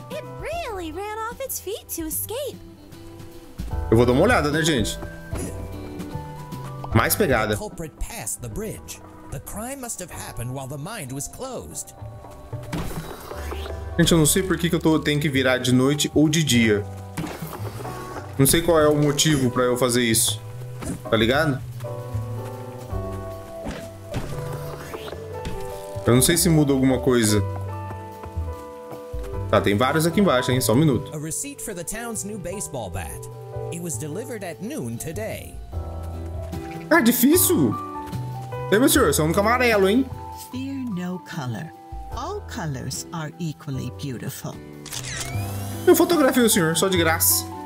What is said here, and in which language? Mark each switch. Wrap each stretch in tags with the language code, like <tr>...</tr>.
<en>It really ran off its feet to escape.</en> <pt>Eu vou dar uma olhada, né, gente? Mais pegada.</pt> <en>The culprit passed the bridge. The crime must have happened while the mine was closed.</en> <pt>Gente, eu não sei por que eu tenho que virar de noite ou de dia. Não sei qual é o motivo pra eu fazer isso. Tá ligado? Eu não sei se muda alguma coisa. Tá, tem vários aqui embaixo, hein? Só um minuto.</pt> <en>A receipt for the town's new baseball bat. It was delivered at noon today.</en> <pt>Ah, difícil. Ei, meu senhor, somos um camarelo, hein?</pt> <en>Fear no color. All colors are equally beautiful.</en> <pt>Eu fotografei o senhor, só de graça.</pt>